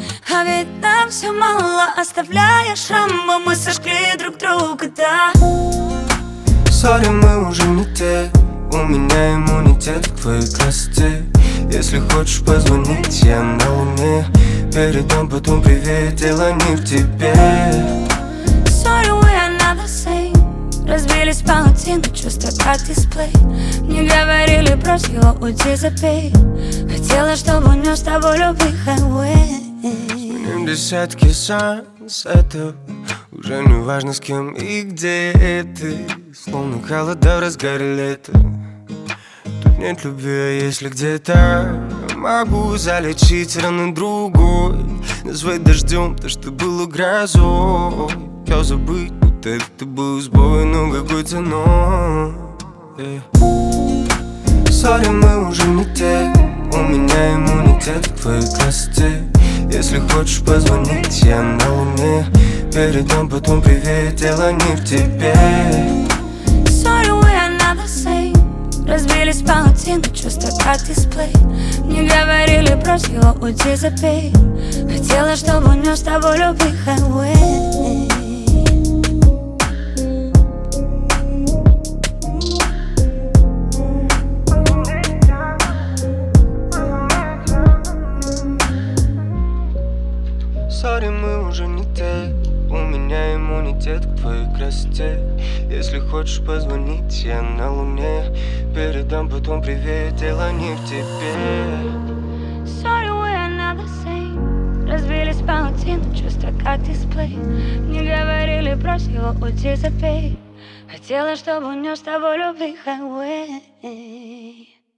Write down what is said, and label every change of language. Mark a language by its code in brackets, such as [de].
[ru] А ведь нам все мало, оставляя шрамы, мы сожгли друг друга, да. Сори, мы уже не те. У меня иммунитет к твоей красоте. Если хочешь позвонить, я на луне. Передам потом привет, дело не в тебе. [en] Sorry, we are not the same. [ru] Разбились паутины, чувства как дисплей. Не говорили, брось его, уйти, запей. Хотела, чтобы унес с тобой любви хайвей. Десятки сансетов. Уже не важно, с кем и где ты. Словно холода в разгаре лета. Тут нет любви, а если где-то могу залечить раны другой. Назвать дождем то, что было грозой. Хотел забыть, будто это был сбой, но какой ценой. Сори, мы уже не те. У меня иммунитет к твоей красоте. Если хочешь позвонить, я на луне. Передам потом привет, дело не в тебе. [en] Sorry, we are not the same. [ru] Разбились паутины, чувства как дисплей. Не говорили, брось его, уйти, запей. Хотела, чтобы унес с тобой любви хайвей. Сори, мы уже не те. У меня иммунитет к твоей красоте. Если хочешь позвонить, я на луне. Передам потом привет, дело не в тебе. [en] Sorry, we are not the same. [ru] Разбились паутины, чувства как дисплей. Не говорили, брось его, уйти, запей. Хотела, чтобы унес с тобой любви хайвей.